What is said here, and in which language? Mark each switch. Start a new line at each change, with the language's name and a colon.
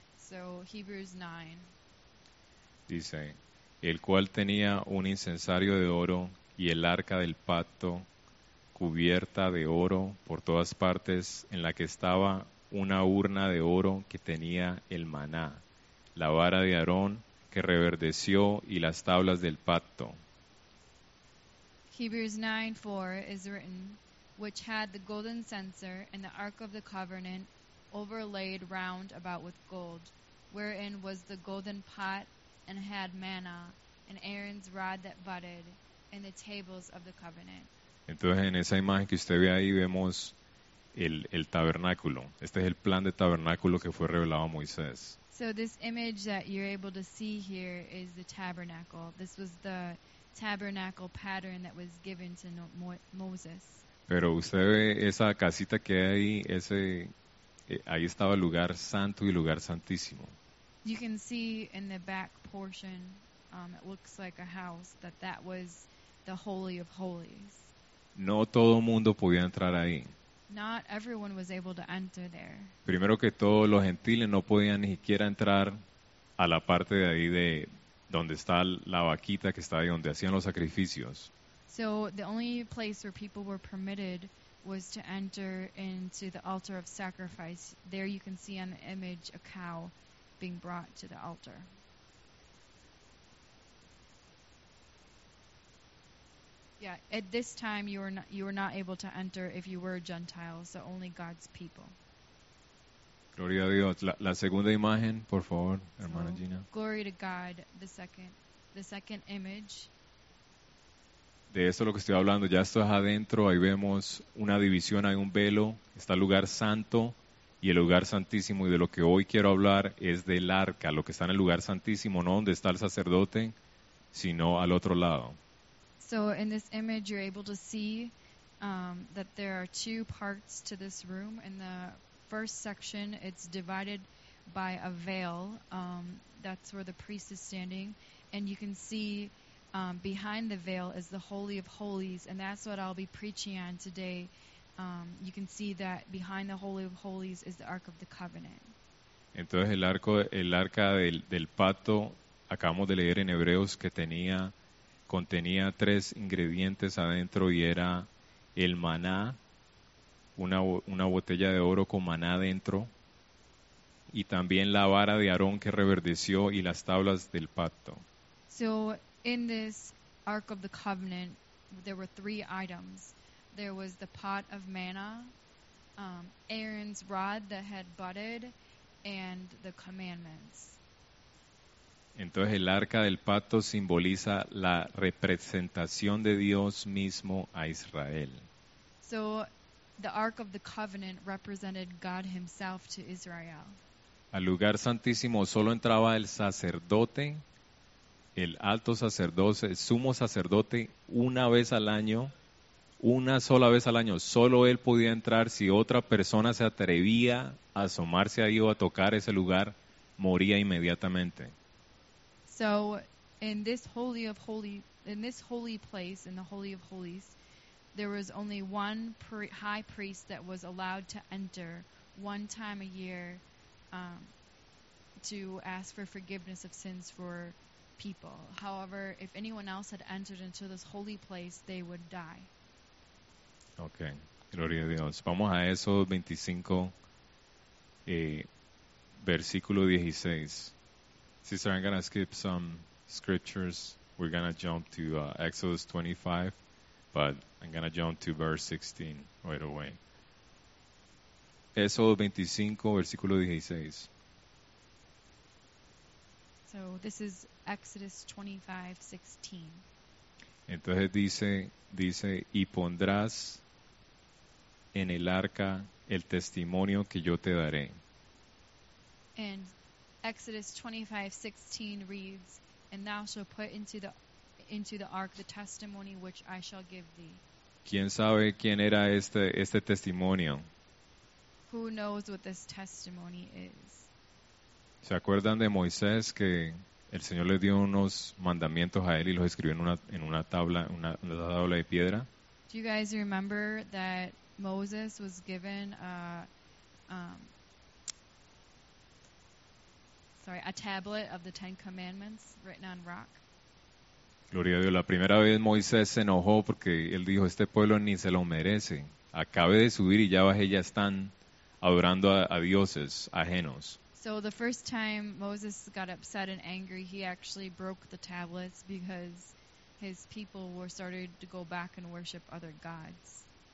English: So Hebrews 9.
Spanish: Dice el cual tenía un incensario de oro y el arca del pacto cubierta de oro por todas partes, en la que estaba una urna de oro que tenía el maná, la vara de Aarón que reverdeció y las tablas del pacto.
English: Hebrews 9:4 is written, which had the golden censer and the ark of the covenant overlaid round about with gold, wherein was the golden pot and had manna, and Aaron's rod that budded, and the tables of the covenant.
Spanish: Entonces, en esa imagen que usted ve ahí, vemos el tabernáculo. Este es el plan de tabernáculo que fue revelado a Moisés.
English: So this image that you're able to see here is the tabernacle. This was the tabernacle pattern that was given to Moses.
Spanish: Pero usted ve esa casita que hay ahí, ahí estaba el lugar santo y el lugar santísimo.
English: You can see in the back portion, it looks like a house, that was the Holy of Holies.
Spanish: No todo mundo podía entrar ahí.
English: Not everyone was able to enter there.
Spanish: Primero que todo, los gentiles no podían ni siquiera entrar a la parte de ahí de donde está la vaquita que está ahí, donde hacían los sacrificios.
English: So the only place where people were permitted was to enter into the altar of sacrifice. There you can see on the image a cow being brought to the altar. Yeah, at this time you were not able to enter if you were Gentiles, so only God's people.
Spanish: Gloria a Dios. La segunda imagen, por favor, hermana Gina.
English: Glory to God, the second image.
Spanish: De esto es lo que estoy hablando, ya esto es adentro, ahí vemos una división, hay un velo, está el lugar santo y el lugar santísimo, y de lo que hoy quiero hablar es del arca, lo que está en el lugar santísimo, no donde está el sacerdote, sino al otro lado.
English: So in this image you're able to see that there are two parts to this room. In the first section it's divided by a veil, that's where the priest is standing, and you can see behind the veil is the Holy of Holies, and that's what I'll be preaching on today. You can see that behind the Holy of Holies is the Ark of the Covenant.
Spanish: Entonces el arca del pacto, acabamos de leer en Hebreos que contenía tres ingredientes adentro y era el maná, una botella de oro con maná adentro, y también la vara de Aarón que reverdeció y las tablas del pacto.
English: So in this Ark of the Covenant, there were three items. There was the pot of manna, Aaron's rod that had budded and the commandments.
Spanish: Entonces el arca del pacto simboliza la representación de Dios mismo a Israel.
English: So the ark of the covenant represented God himself to Israel.
Spanish: Al lugar santísimo solo entraba el sacerdote, el alto sacerdote, el sumo sacerdote, una vez al año, una sola vez al año. Solo él podía entrar. Si otra persona se atrevía a asomarse ahí o a tocar ese lugar, moría inmediatamente.
English: So, in this holy of holy, in this holy place, in the holy of holies, there was only one high priest that was allowed to enter one time a year to ask for forgiveness of sins for people. However, if anyone else had entered into this holy place, they would die.
Spanish: Okay, gloria a Dios. Vamos a Éxodo 25, versículo 16.
English: Sister, I'm going to skip some scriptures. We're going to jump to Exodus 25, but I'm going to jump to verse 16 right away.
Spanish: Éxodo 25, versículo 16.
English: So this is Exodus 25:16.
Spanish: Entonces dice, y pondrás en el arca el testimonio que yo te daré.
English: And Exodus 25:16 reads, and thou shalt put into the ark the testimony which I shall give thee.
Spanish: ¿Quién sabe quién era este testimonio?
English: Who knows what this testimony is?
Spanish: ¿Se acuerdan de Moisés que el Señor le dio unos mandamientos a él y los escribió en una tabla de piedra?
English: Do you guys remember that Moses was given a tablet of the Ten Commandments written on rock?
Spanish: Gloria a Dios. La primera vez Moisés se enojó porque él dijo, este pueblo ni se lo merece. Acabe de subir y ya bajé, ya están adorando a dioses ajenos.
English: So the first time Moses got upset and angry, he actually broke the tablets because his people were started to go back and worship other gods.